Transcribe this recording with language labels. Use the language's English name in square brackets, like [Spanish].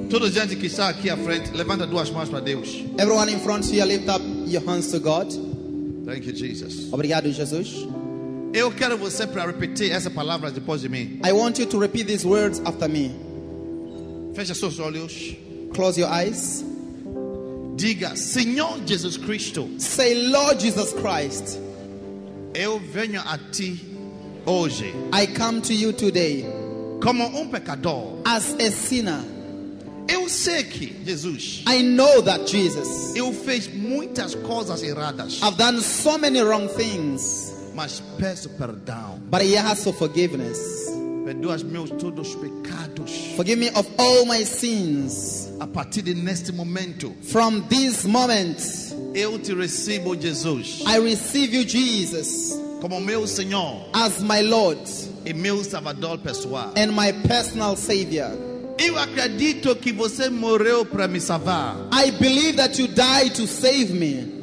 [Portuguese] Gente que está aqui à frente, levanta duas mãos para Deus. [English] Everyone in front here, lift up your hands to God. Thank you, Jesus. [Portuguese] Obrigado, Jesus. Eu quero você para repetir essa palavra depois de mim. [English] I want you to repeat these words after me. [Portuguese] Feche seus olhos. [English] Close your eyes. [Portuguese] Diga, Senhor Jesus Cristo. [English] Say, Lord Jesus Christ. [Portuguese] Eu venho a ti hoje. [English] I come to you today. [Portuguese] Como pecador. [English] As a sinner. [Portuguese] Eu sei que Jesus. [English] I know that Jesus. [Portuguese] Eu fiz muitas coisas erradas. [English] I've done so many wrong things. [Portuguese] Mas peço perdão. [English] But he has for forgiveness. [Portuguese] Perdoa os meus todos pecados. [English] Forgive me of all my sins. [Portuguese] A partir de neste momento. [English] From this moment. [Portuguese] Eu te recebo, Jesus. [English] I receive you, Jesus. [Portuguese] Como meu Senhor. [English] As my Lord. [Portuguese] E meu Salvador pessoal. [English] And my personal Savior. [Portuguese] Eu acredito que você morreu para me salvar. [English] I believe that you died to save me.